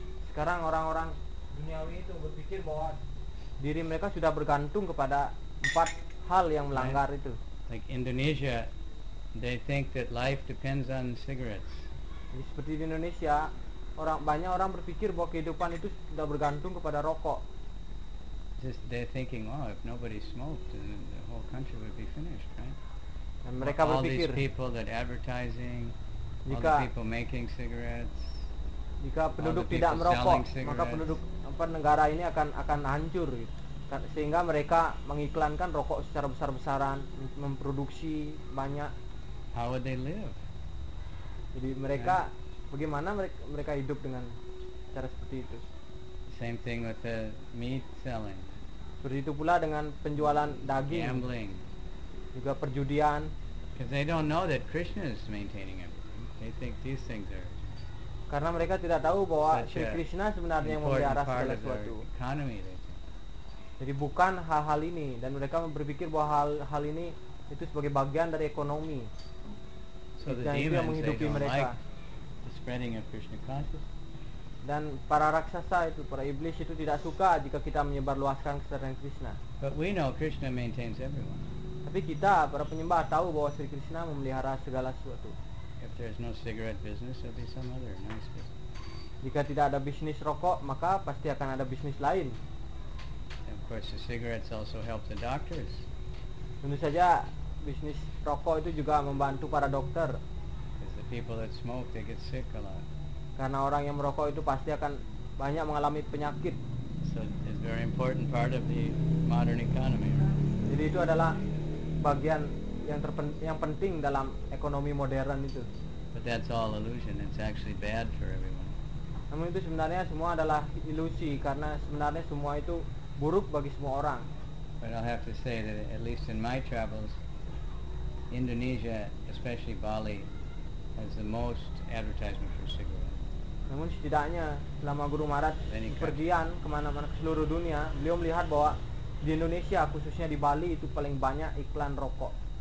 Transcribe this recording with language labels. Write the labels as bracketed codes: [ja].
[id] Sekarang orang-orang duniawi itu berpikir bahwa diri mereka sudah bergantung kepada empat hal yang melanggar itu. [en] Like Indonesia, they think that life depends on cigarettes. [id] Jadi seperti di Indonesia, banyak orang berpikir bahwa kehidupan itu sudah bergantung kepada rokok. [en] Just they're thinking, oh, if nobody smoked, then the whole country would be finished, right? [id] Dan mereka berpikir, [en] all these people that advertising, [id] jika, [en] all the people making cigarettes, [id] jika penduduk tidak merokok, maka penduduk apa negara ini akan hancur. Gitu. Sehingga mereka mengiklankan rokok secara besar-besaran, memproduksi banyak. [en] How would they live? [id] Jadi mereka, bagaimana mereka hidup dengan cara seperti itu? [en] Same thing with the meat selling. [id] Seperti itu pula dengan penjualan daging. [en] Gambling. [id] Juga perjudian. [en] Because they don't know that Krishna is maintaining everything. They think these things are. [id] Karena mereka tidak tahu bahwa Sri Krishna sebenarnya yang memelihara segala sesuatu. [en] Economy. [id] Jadi bukan hal-hal ini dan mereka berpikir bahwa hal-hal ini itu sebagai bagian dari ekonomi. [en] So [id] dan [en] the [id] itu yang menghidupi mereka. [en] Like the spreading of Krishna consciousness. [id] Dan para raksasa itu, para iblis itu tidak suka jika kita menyebarluaskan kesadaran Krishna. [en] But we know Krishna maintains everyone. [id] Tapi kita para penyembah tahu bahwa Sri Krishna memelihara segala sesuatu. [en] If there's no cigarette business, there'll be some other nice business. [id] Jika tidak ada bisnis rokok, maka pasti akan ada bisnis lain. [en] Of course, the cigarettes also help the doctors. [id] Tentu saja, bisnis rokok itu juga membantu para dokter. [en] Because the people that smoke, they get sick a lot. [id] Karena orang yang merokok itu pasti akan banyak mengalami penyakit. [en] So it's a very important part of the modern economy. [id] Jadi itu adalah bagian yang penting dalam ekonomi modern itu. [en] But that's all illusion. It's actually bad for everyone. [id] Namun itu sebenarnya semua adalah ilusi karena sebenarnya semua itu buruk bagi semua orang. [en] But I'll have to say that at least in my travels, Indonesia, especially Bali, has the most advertisement for cigarettes. [id] Namun setidaknya selama Guru Maharaj pergian kemana-mana ke seluruh dunia, beliau melihat bahwa di Indonesia, khususnya di Bali, itu paling banyak iklan rokok.